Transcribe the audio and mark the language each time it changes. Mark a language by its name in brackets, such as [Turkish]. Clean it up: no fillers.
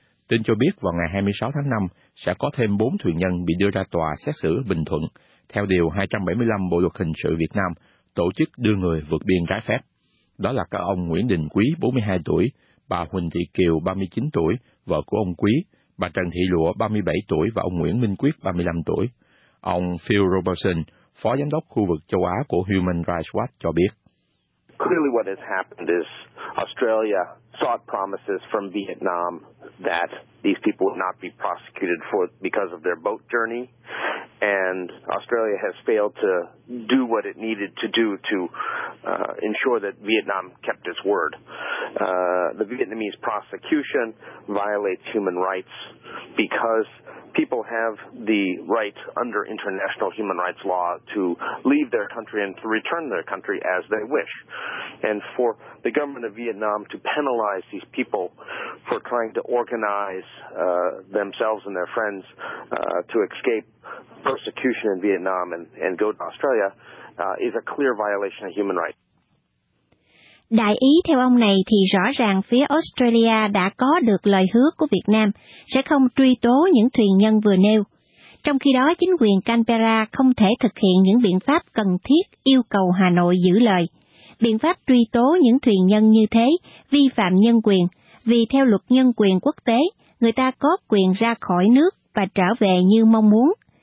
[Vietnamese] Tin cho biết vào ngày 26 tháng 5 sẽ có thêm 4 thuyền nhân bị đưa ra tòa xét xử bình thuận, theo Điều 275 Bộ Luật Hình sự Việt Nam, tổ chức đưa người vượt biên trái phép. Đó là các ông Nguyễn Đình Quý, 42 tuổi, bà Huỳnh Thị Kiều, 39 tuổi, vợ của ông Quý, bà Trần Thị Lụa, 37 tuổi và ông Nguyễn Minh Quyết, 35 tuổi. Ông Phil Robertson, Phó Giám đốc Khu vực Châu Á của Human Rights Watch cho biết. [English] Clearly what has happened is Australia sought promises from Vietnam that these people would not be prosecuted for because of their boat journey, and Australia has failed to do what it needed to do to ensure that Vietnam kept its word. The Vietnamese prosecution violates human rights because people have the right under international human rights law to leave their country and to return their country as they wish. And for the government of Vietnam to penalize these people for trying to organize themselves and their friends to escape persecution in Vietnam and go to Australia is a clear violation of human rights. [Vietnamese] Đại ý theo ông này thì rõ ràng phía Australia đã có được lời hứa của Việt Nam sẽ không truy tố những thuyền nhân vừa nêu. Trong khi đó, chính quyền Canberra không thể thực hiện những biện pháp cần thiết yêu cầu Hà Nội giữ lời. Biện pháp truy tố những thuyền nhân như thế vi phạm nhân quyền, vì theo luật nhân quyền quốc tế, người ta có quyền ra khỏi nước và trở về như mong muốn.